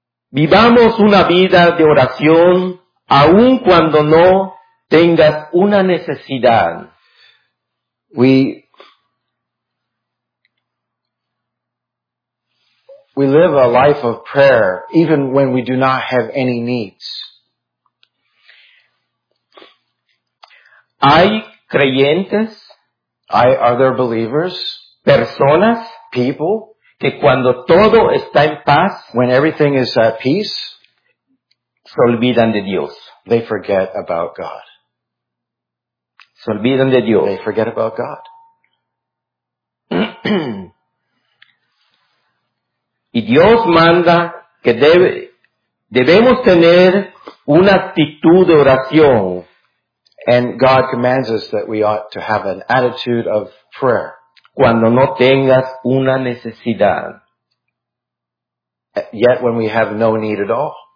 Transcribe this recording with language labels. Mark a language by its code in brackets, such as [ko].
[es] Vivamos una vida de oración aun cuando no tengas una necesidad. [en] We live a life of prayer even when we do not have any needs. [es] Hay creyentes, [en] are there believers, [es] personas, [en] people, [es] que cuando todo está en paz, [en] when everything is at peace, [es] se olvidan de Dios. [en] They forget about God. [es] Se olvidan de Dios. [en] They forget about God. [es] Y Dios manda que debemos tener una actitud de oración. [en] And God commands us that we ought to have an attitude of prayer. [es] Cuando no tengas una necesidad. [en] Yet when we have no need at all.